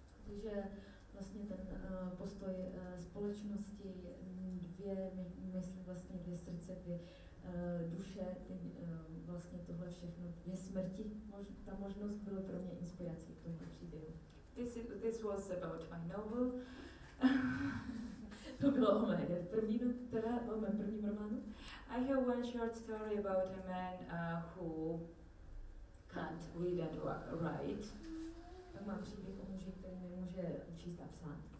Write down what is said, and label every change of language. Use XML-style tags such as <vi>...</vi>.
<cs>Takže vlastně ten postoj společnosti, dvě mysli, vlastně dvě srdce, dvě duše, vlastně tohle všechno, dvě smrti, ta možnost byla pro mě inspirací k tomu příběhu.</cs> <en>This was about my novel.</en> <cs>To bylo o mé první, teda o mém prvním románu.</cs> <en>I have one short story about a man who can't read and write.</en> <cs>Tak mám příběh o muži, který nemůže číst a psát.</cs>